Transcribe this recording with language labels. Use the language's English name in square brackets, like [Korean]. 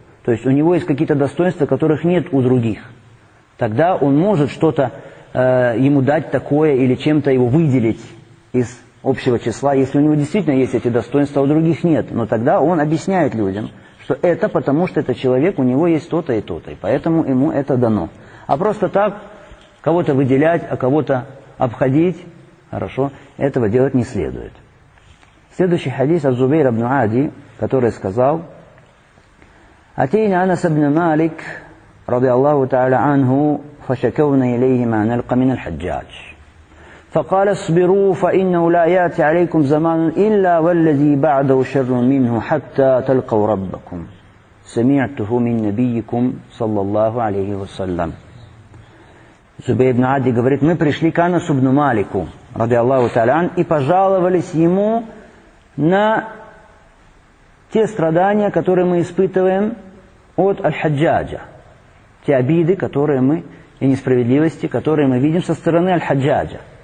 [Russian] То есть у него есть какие-то достоинства, которых нет у других. Тогда он может что-то ему дать такое или чем-то его выделить из общего числа, если у него действительно есть эти достоинства, а у других нет. Но тогда он объясняет людям, что это потому, что этот человек, у него есть то-то и то-то, и поэтому ему это дано. А просто так кого-то выделять, а кого-то обходить, хорошо, этого делать не следует. Следующий хадис от Зубейр ибн Ади, который сказал: [Arabic] «Атейна Анас ибн Малик, ради Аллаху та'аля анху, فشكونا إليه ما نلقى من الحجاج فقال اصبروا فإنه لا يأتي عليكم زمان إلا والذي بعده شر منه حتى تلقوا ربكم سمعته من نبيكم صلى الله عليه وسلم». [Russian] Зубей ибн Ади говорит: мы пришли к Анасу ибн Малику ради Аллаху тааля и пожаловались ему на те страдания, которые мы испытываем от аль-хаджаджа, те обиды, которые мы и несправедливости, которые мы видим со стороны аль-хаджаджа.